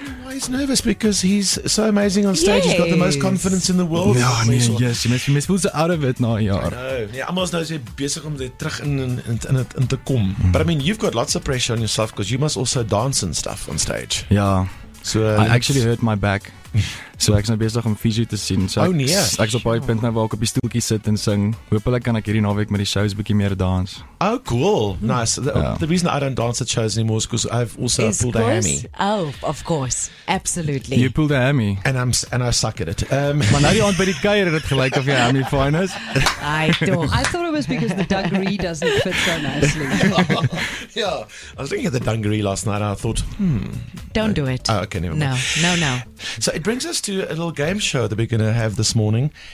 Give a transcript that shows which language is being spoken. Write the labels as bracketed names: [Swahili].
[English] He's nervous because he's so amazing on stage. Yes. He's got the most confidence in the world. Yeah, no, nee, yes, you must be out of it now, yeah. No, yeah, almost now [Afrikaans] is besig om dit terug in te kom. Mm. [English] But I mean, you've got lots of pressure on yourself because you must also dance and stuff on stage. Yeah. So I actually hurt my back. So [Afrikaans] ek is nou besig om fysio te sien. [English] So [Afrikaans] oh nee. Ek is op baie punt nou waar ek op die stoeltjie sit en sing. Hoopelik kan ek hierdie naweek met die shows bietjie meer dans. [English] Oh cool. Nice. The reason I don't dance at shows anymore is because I've also pulled a hammy. Oh, of course. Absolutely. You pulled a hammy. And I suck at it. [Afrikaans] Maar nou die aand by die kuier het gelyk of jy hammy fine is. [English] I don't. I thought it was because the dungaree doesn't fit so nicely. Yeah. I was looking at the dungaree last night and I thought, don't do it. Oh, okay, never mind. No. So it brings us to a little game show that we're going to have this morning.